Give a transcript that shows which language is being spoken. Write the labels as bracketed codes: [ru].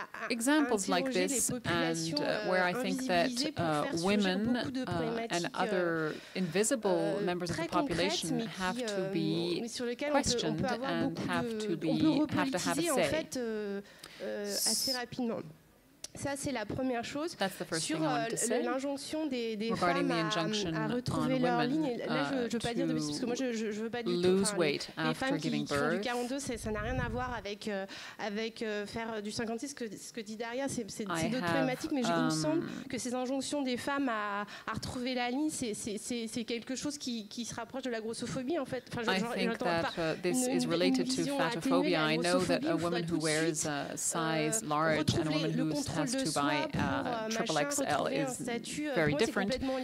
[en] examples like this, and where I think that women and other invisible members of the population have to be questioned and have to have a say. [fr] Assez rapidement. Ça, c'est la première chose. [en] That's the first thing I wanted to say. [fr] Sur l'injonction des femmes à retrouver leur ligne. Et là, je ne veux pas dire de plus, parce que moi, je ne veux pas du tout. Les femmes qui font du 42, ça n'a rien à voir avec faire du 56. Ce que dit Daria, c'est d'autres problématiques. Mais il me semble que ces injonctions des femmes à retrouver la ligne, c'est quelque chose qui se rapproche de la grossophobie, en fait. Enfin, je pense que [en] this is related to fatophobia. I know that a woman who wears a size large and a woman who has to buy triple XL is very different.